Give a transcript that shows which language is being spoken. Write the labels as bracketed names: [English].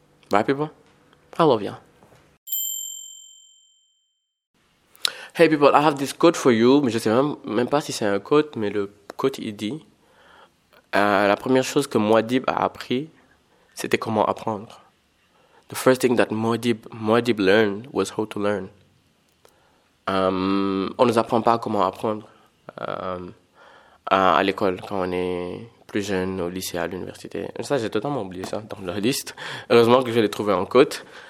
[English] Bye people, I love you. Hey people, I have this code for you, [French] mais je sais même pas si c'est un code, mais le code il dit. La première chose que Muad'Dib a appris, c'était comment apprendre. [English] The first thing that Muad'Dib learned was how to learn. [French] On nous apprend pas comment apprendre à l'école quand on est plus jeune, au lycée, à l'université. Ça, j'ai totalement oublié ça dans la liste. Heureusement que je l'ai trouvé en côte.